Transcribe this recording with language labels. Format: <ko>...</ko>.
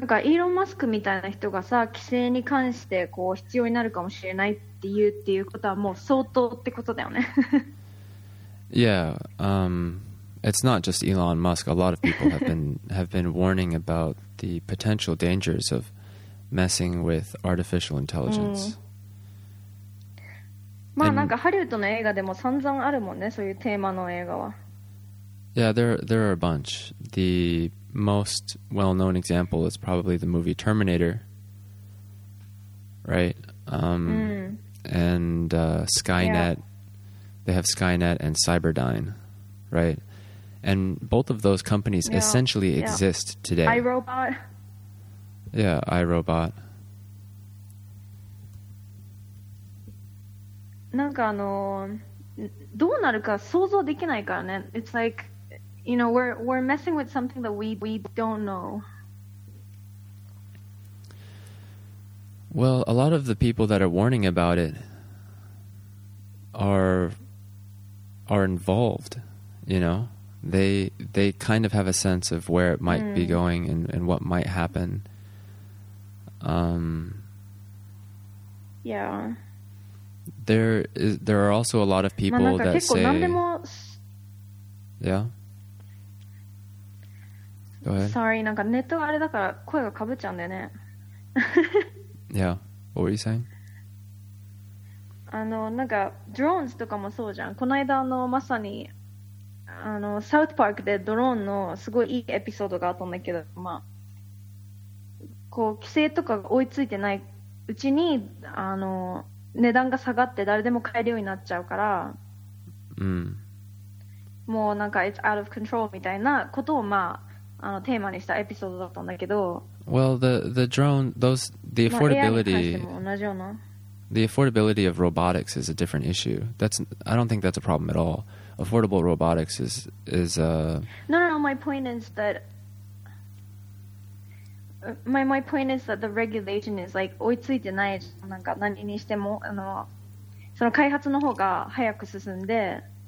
<ja>なんかイーロン・マスクみたいな人がさ、規制に関してこう必要になるかもしれないって言うっていうことはもう相当ってことだよね。</ja> <en>Yeah, it's not just Elon Musk. A lot of people have been warning about the potential dangers of messing with artificial intelligence. 、うん</en> <ja>まあなんかハリウッドの映画でも散々あるもんね、そういうテーマの映画は。</ja> <en>Yeah, there are a bunch. The most well-known example is probably the movie Terminator, right? And Skynet. Yeah. They have Skynet and Cyberdyne, right? And both of those companies essentially exist today. iRobot. Yeah, iRobot.</en> <ja>なんかあのどうなるか想像できないからね。</ja> <en>It's like, you know, we're messing with something that we don't know. Well, a lot of the people that are warning about it are involved, you know? they kind of have a sense of where it might be going and what might happen. Yeah. There are also a lot of people that say... Yeah? Go ahead.</en> <ja>Sorry, なんかネットあれだから声がかぶっちゃうんだよね。</ja> <en>Yeah. What were you saying?</en> <ja>あの、なんか、ドローンズとかもそうじゃん。この間の、まさに、あの、サウスパークでドローンのすごいいいエピソードがあったんだけど、まあ、こう、規制とかが追いついてないうちに、あの、値段が下がって誰でも買えるようになっちゃうから、もうなんか、</ja> <en>it's out of control</en> <ja>みたいなことを、まあ、あの、テーマにしたエピソードだったんだけど、</ja> <en>Well, the drone, those, the affordability, the affordability of robotics is a different issue. That's, I don't think that's a problem at all. Affordable robotics is a... No, my point is that the regulation is like,</en> <ja>追いついてない、なんか何にしても、あの、その開発の方が早く進んで、</ja>